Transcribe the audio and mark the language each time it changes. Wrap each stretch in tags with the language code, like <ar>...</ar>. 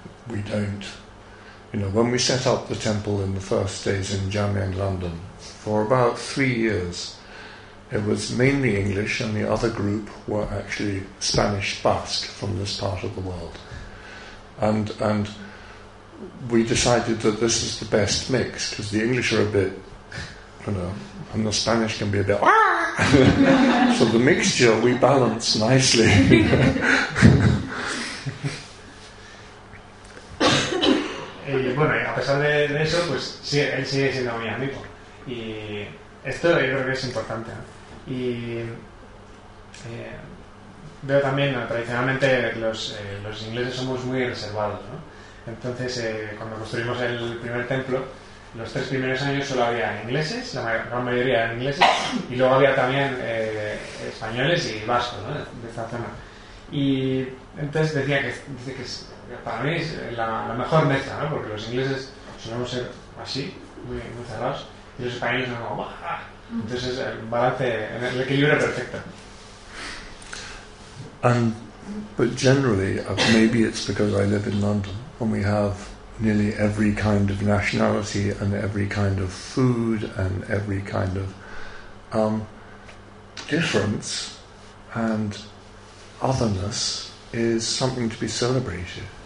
<en>We don't, you know, when we set up the temple in the first days in Jamian, London, for about 3 years, it was mainly English, and the other group were actually Spanish Basque from this part of the world. And we decided that this is the best mix, because the English are a bit, you know, and the Spanish can be a bit so the mixture we balance nicely.</en> <es>Y bueno, a pesar de eso, pues sí, él sigue siendo mi amigo, y esto yo creo que es importante, ¿no? Y veo también, ¿no?, tradicionalmente los ingleses somos muy reservados, ¿no? Entonces, cuando construimos el primer templo, los tres primeros años solo había ingleses, la gran mayoría eran ingleses, y luego había también españoles y vascos, ¿no?, de esta zona. Y entonces decía que, dice que para mí es la mejor mezcla, ¿no?, porque los ingleses solemos ser así, muy, muy cerrados, y los españoles son como ¡ah! Entonces el balance, el equilibrio perfecto.</es> <en>But generally, maybe it's because I live in London and we have nearly every kind of nationality and every kind of food and every kind of difference and otherness is something to be celebrated.</en>